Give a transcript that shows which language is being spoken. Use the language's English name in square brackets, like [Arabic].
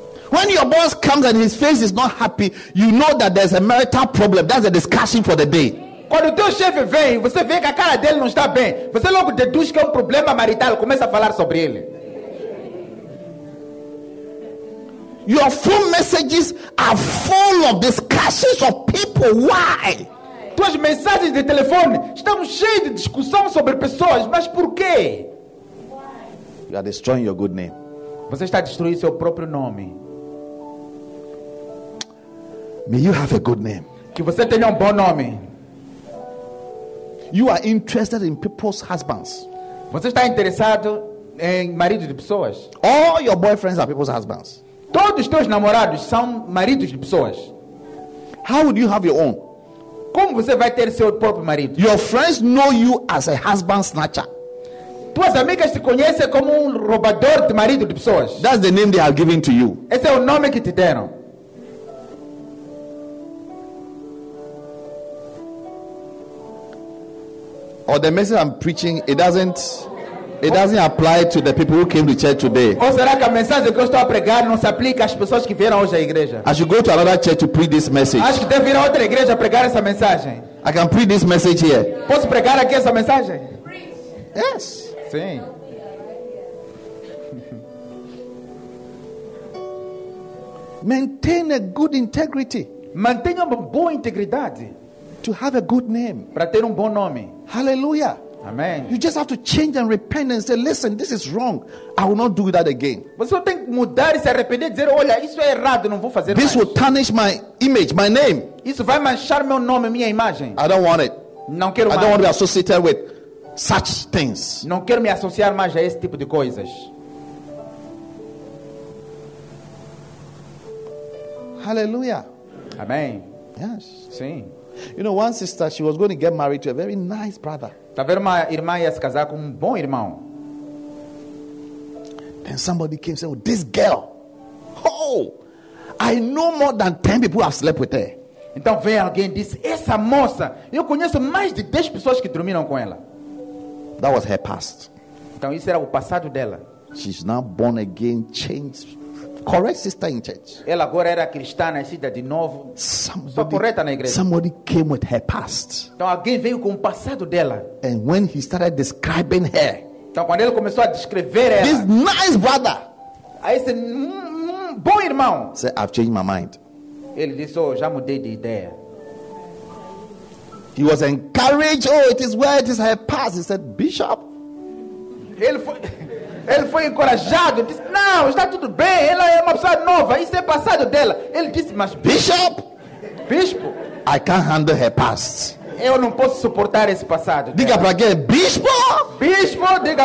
[English] When your boss comes and his face is not happy, you know that there's a marital problem. That's a discussion for the day. [Portuguese] Quando o teu chefe vem, você vê que a cara dele não está bem. Você logo deduz que é problema marital, começa a falar sobre ele. [English] Your phone messages are full of discussions of people. Why? [Portuguese] Tuas mensagens de telefone estão cheias de discussão sobre pessoas, mas por quê? [English] You are destroying your good name. [Portuguese] Você está destruindo seu próprio nome. [English] May you have a good name. [Portuguese] Que você tenha bom nome. [English] You are interested in people's husbands. [Portuguese] Você está interessado em maridos de pessoas. [English] All your boyfriends are people's husbands. [Portuguese] Todos os teus namorados são maridos de pessoas. [English] How would you have your own? [Portuguese] Como você vai ter seu próprio marido? [English] Your friends know you as a husband snatcher. [Portuguese] Tuas amigas te conhecem como roubador de marido de pessoas. [English] That's the name they are giving to you. [Portuguese] Esse é o nome que te deram. [English] Or the message I'm preaching, it doesn't apply to the people who came to church today. [Portuguese] Ou será que a mensagem que eu estou a pregar não se aplica às pessoas que vieram hoje à igreja? [English] I should go to another church to preach this message. [Portuguese] Acho que devo ir a outra igreja a pregar essa mensagem. [English] I can preach this message here. [Portuguese] Posso pregar aqui essa mensagem? [English] Yes. [Portuguese] Sim. [English] Maintain a good integrity. [Portuguese] Mantenha uma boa integridade. [English] To have a good name. [Portuguese] Para ter bom nome. Hallelujah. Amen. [English] You just have to change and repent and say, listen, this is wrong. I will not do that again. [Portuguese] Você tem que mudar e se arrepender e dizer, olha, isso é errado, não vou fazer mais. [English] This will tarnish my image, my name. [Portuguese] Isso vai manchar meu nome, minha imagem. [English] I don't want it. [Portuguese] Não quero mais. [English] I don't want to be associated with such things. [Portuguese] Não quero me associar mais a esse tipo de coisas. Hallelujah. Amen. [English] Yes. [Portuguese] Sim. [English] You know, one sister, she was going to get married to a very nice brother. [Portuguese] Tá vendo, uma irmã ia se casar com bom irmão. [English] Then somebody came and said, oh, this girl, oh, I know more than 10 people have slept with her. [Portuguese] Então vem alguém e disse, essa moça, eu conheço mais de 10 pessoas que dormiram com ela. [English] That was her past. [Portuguese] Então isso era o passado dela. [English] She's now born again, changed. Correct sister in church. [Portuguese] Ela agora era cristã, nascida de novo. [English] Somebody, [Portuguese] correta na igreja. [English] Somebody came with her past. [Portuguese] Então alguém veio com o passado dela. [English] And when he started describing her. [Portuguese] Então quando ele começou a descrever ela. [English] This nice brother. [Portuguese] Aí disse, bom irmão. [English] Said, I've changed my mind. [Portuguese] Ele disse, oh, já mudei de ideia. [English] He was encouraged. Oh, it is where it is her past. He said, Bishop. [Portuguese] Ele foi encorajado, disse: "Não, está tudo bem, ela é uma pessoa nova, isso é passado dela." Ele disse: "Mas bispo, [English] I can't handle her past." [Portuguese] Eu não posso suportar esse passado. Diga para quem? Bispo? Bispo, diga